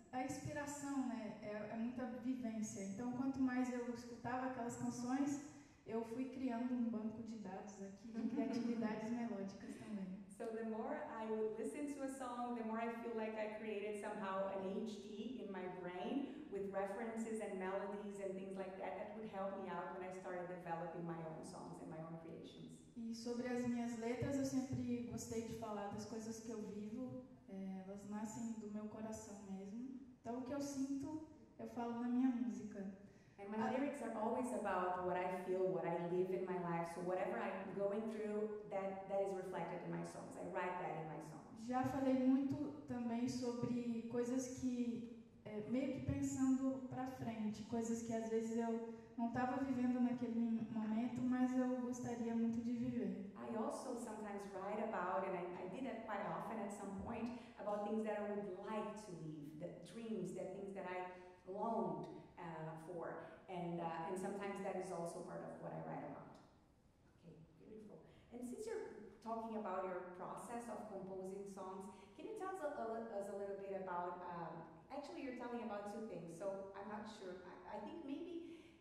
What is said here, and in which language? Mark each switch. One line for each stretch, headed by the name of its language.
Portuguese: a inspiração, né, é muita vivência. Então, quanto mais eu escutava aquelas canções, eu fui criando um banco de dados aqui de criatividades melódicas também. So the more I would listen to a song, the more I feel like I created somehow an HD in my brain with references and melodies and things like that that would help me out when I started developing my own songs and my own creations. E sobre as minhas letras, eu sempre gostei de falar das coisas que eu vivo, elas nascem do meu coração mesmo. Então o que eu sinto, eu falo na minha música.
English: And my lyrics are always about what I feel, what I live in my life. So whatever I'm going through, that is reflected in my songs. I write that in my songs.
Portuguese: Já falei muito também sobre coisas que meio que pensando para frente, coisas que às vezes eu não estava vivendo naquele momento, mas eu gostaria muito de viver.
English: I also sometimes write about, and I did that quite often at some point, about things that I would like to live, the dreams, the things that I longed for, and sometimes that is also part of what I write about. Okay, beautiful. And since you're talking about your process of composing songs, can you tell us a little bit about, actually you're telling about two things, so I'm not sure, I think maybe